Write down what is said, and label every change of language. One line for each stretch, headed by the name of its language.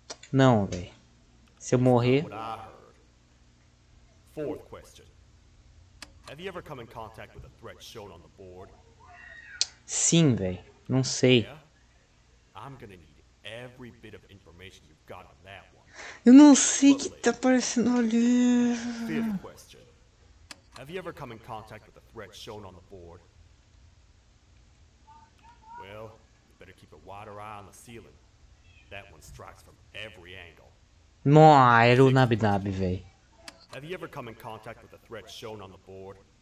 Portuguese: Não, velho. Se eu morrer.
English: Fourth question. Have you ever come in contact with the threat shown on the board?
Portuguese: Sim, velho. Não sei.
English: I'm gonna need every bit of information you've got on that one.
Portuguese: Eu não sei o que tá aparecendo ali.
English: Fifth question. Have you ever come in contact with the threat shown on the board? Well, you better keep a wider eye on the ceiling. That one strikes from every angle.
Portuguese: Era o Nabi Nabi, véi.
English: Have you ever come in contact with the threat shown on the board?